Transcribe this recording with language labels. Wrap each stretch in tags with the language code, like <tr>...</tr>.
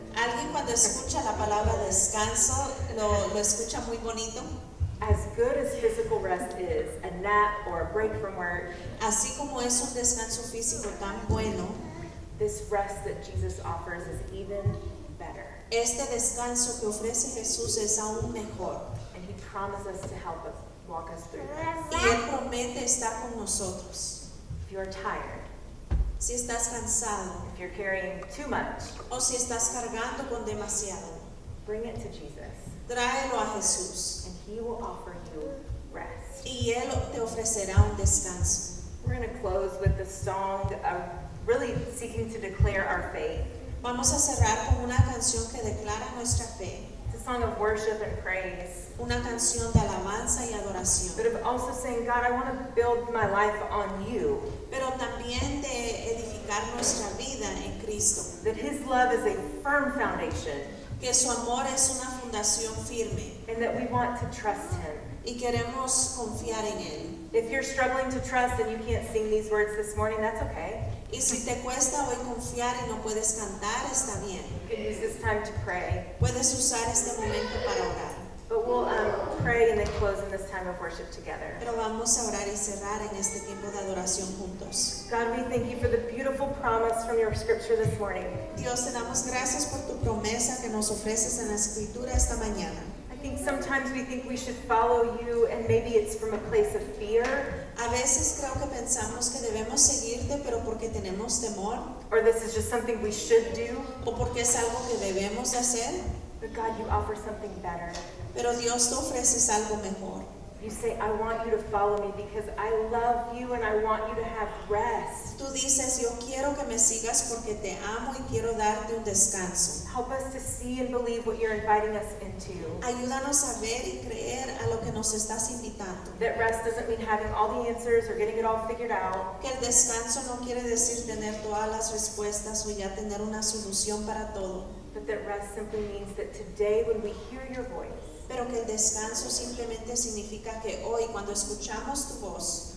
<es>Alguien cuando escucha la palabra descanso, lo escucha muy bonito.</es> <en>As good as physical rest is, a nap or a break from work.</en> <es>Así como es un descanso físico tan bueno.</es> <en>This rest that Jesus offers is even better.</en> <es>Este descanso que ofrece Jesús es aún mejor.</es> <en>And he promises to help us walk us through this.</en> <es>Y él promete estar con nosotros.</es> <en>If you are tired.</en> <es>Si estás cansado.</es> <en>If you're carrying too much.</en> <es>O si estás cargando con demasiado.</es> <en>Bring it to Jesus.</en> <es>Tráelo a Jesús.</es> <en>And he will offer you rest.</en> <es>Y él te ofrecerá un descanso.</es> <en>We're going to close with the song of really seeking to declare our faith.</en> <es>Vamos a cerrar con una canción que declara nuestra fe.</es> <en>It's a song of worship and praise.</en> <es>Una canción de alabanza y adoración.</es> <en>But of also saying, God, I want to build my life on you.</en> <es>Pero también de edificar nuestra vida en Cristo.</es> <en>That his love is a firm foundation.</en> <es>Que su amor es una fundación firme.</es> <en>And that we want to trust him.</en> <es>Y queremos confiar en él.</es> <en>If you're struggling to trust and you can't sing these words this morning, that's okay.</en> <es>Y si te cuesta hoy confiar y no puedes cantar, está bien.</es> <en>You can use this time to pray.</en> <es>Puedes usar este momento para orar.</es> <en>But we'll pray and then close in this time of worship together.</en> <es>Pero vamos a orar y cerrar en este tiempo de adoración juntos.</es> <en>God, we thank you for the beautiful promise from your scripture this morning.</en> <es>Dios, te damos gracias por tu promesa que nos ofreces en la escritura esta mañana.</es> <en>I think sometimes we think we should follow you, and maybe it's from a place of fear.</en> <es>A veces creo que pensamos que debemos seguirte, pero porque tenemos temor.</es> <en>Or this is just something we should do.</en> <es>O porque es algo que debemos hacer.</es> <en>But God, you offer something better.</en> <es>Pero Dios te ofreces algo mejor.</es> <en>You say, I want you to follow me because I love you and I want you to have rest.</en> <es>Tú dices, yo quiero que me sigas porque te amo y quiero darte un descanso.</es> <en>Help us to see and believe what you're inviting us into.</en> <es>Ayúdanos a ver y creer a lo que nos estás invitando.</es> <en>That rest doesn't mean having all the answers or getting it all figured out.</en> <es>Que el descanso no quiere decir tener todas las respuestas o ya tener una solución para todo.</es> <en>But that rest simply means that today when we hear your voice,</en> <es>pero que el descanso simplemente significa que hoy, cuando escuchamos tu voz,</es>